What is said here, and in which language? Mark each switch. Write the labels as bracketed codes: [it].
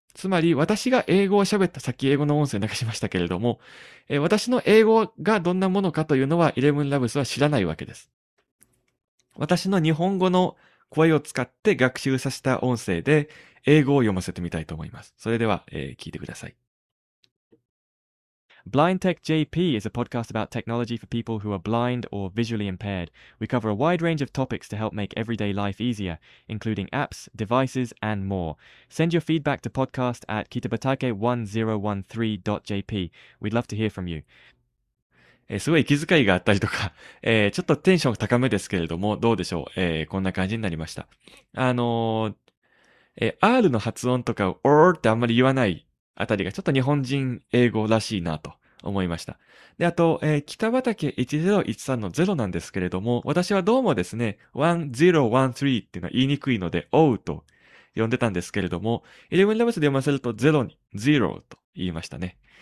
[ja] つまり、私が英語を喋った、さっき英語の音声流しましたけれども、私の英語がどんなものかというのは、イレブンラブスは知らないわけです。私の日本語の声を使って学習させた音声で、英語を読ませてみたいと思います。それでは、聞いてください。 [en] Blind Tech JP is a podcast about technology for people who are blind or visually impaired. We cover a wide range of topics to help make everyday life easier, including apps, devices, and more. Send your feedback to podcast at kitabatake1013.jp. We'd love to hear from you. [ja] すごい息遣いがあったりとか、ちょっとテンション高めですけれども、どうでしょう。こんな感じになりました。R の発音とか、or ってあんまり言わない。あたりがちょっと日本人英語らしいなと思いました。で、あと、北畑1013の0なんですけれども、私はどうもですね、1013っていうのは言いにくいので、O と呼んでたんですけれども、イレブンラブスで読ませると0に、0と言いましたね。